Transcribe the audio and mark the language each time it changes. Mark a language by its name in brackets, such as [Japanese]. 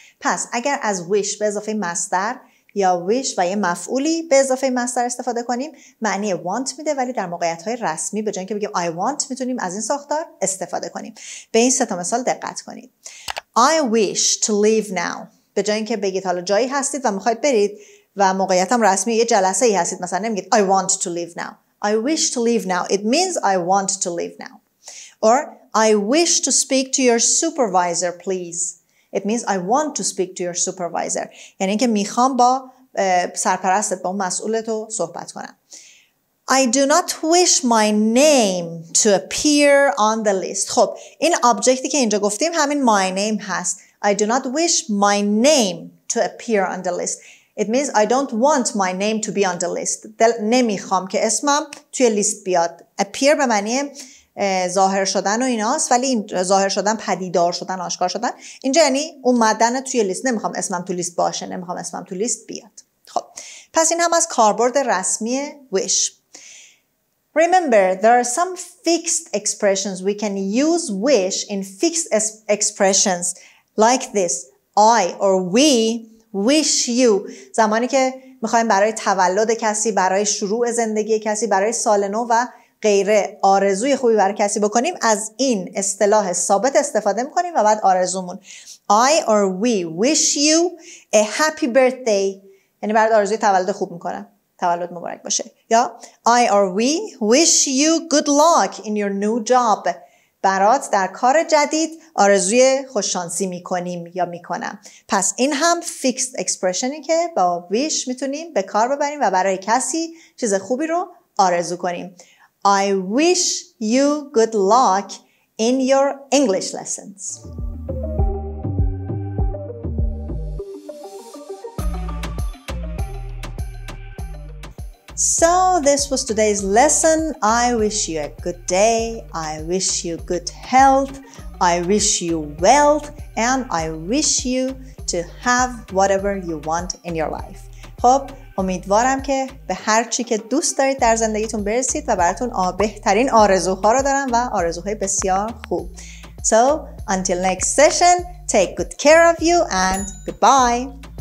[Persian] پس اگر از wish به اضافه مصدر یا wish و یه مفعولی به اضافه مصدر استفاده کنیم، معنی want میده، ولی در موقعیت‌های رسمی به جای اینکه بگیم [English] I want [Persian] میتونیم از این ساختار استفاده کنیم. به این سه تا مثال دقت کنید. [English] I wish to leave now. [Persian] به جای اینکه بگید حالا جایی هستید و میخواید برید و موقعیتم رسمی یه جلسه ای هستید، مثلا نمیگید [English] I want to leave now. I wish to leave now. It means I want to leave now. Or I wish to speak to your supervisor, please. It means I want to speak to your supervisor. [Persian] یعنی که میخوام با سرپرستت، با مسئولتو صحبت کنم. [English] I do not wish my name to appear on the list. [Persian] خب این آبجکتی که اینجا گفتیم همین my name هست. [English] I do not wish my name to appear on the list. It means I don't want my name to be on the list. [Persian] نمیخوام که اسمم توی لیست بیاد. Appear به معنی ظاهر شدن و ایناست، ولی این ظاهر شدن، پدیدار شدن، آشکار شدن، اینجا یعنی اومدن توی لیست. نمیخوام اسمم توی لیست باشه، نمیخوام اسمم توی لیست بیاد. خب پس این هم از کاربرد رسمی wish. [English] Remember there are some fixed expressions. We can use wish in fixed expressions like this. I or we wish you. [Persian] زمانی که میخوایم برای تولد کسی، برای شروع زندگی کسی، برای سال نو و غیره آرزوی خوبی برای کسی بکنیم، از این اصطلاح ثابت استفاده میکنیم و بعد آرزومون. [English] I or we wish you a happy birthday. [Persian] یعنی برای آرزوی تولد خوب میکنم، تولد مبارک باشه. [English] یا I or we wish you good luck in your new job. [Persian] برات در کار جدید آرزوی خوششانسی میکنیم یا میکنم. پس این هم fixed expressionی که با wish میتونیم به کار ببریم و برای کسی چیز خوبی رو آرزو کنیم. [English] I wish you good luck in your English lessons. So this was today's lesson. I wish you a good day. I wish you good health. I wish you wealth. And I wish you to have whatever you want in your life. [Persian] خب امیدوارم که به هر چی که دوست دارید در زندگیتون برسید و براتون بهترین آرزوها رو دارم و آرزوهای بسیار خوب. [English] So until next session, take good care of you and goodbye.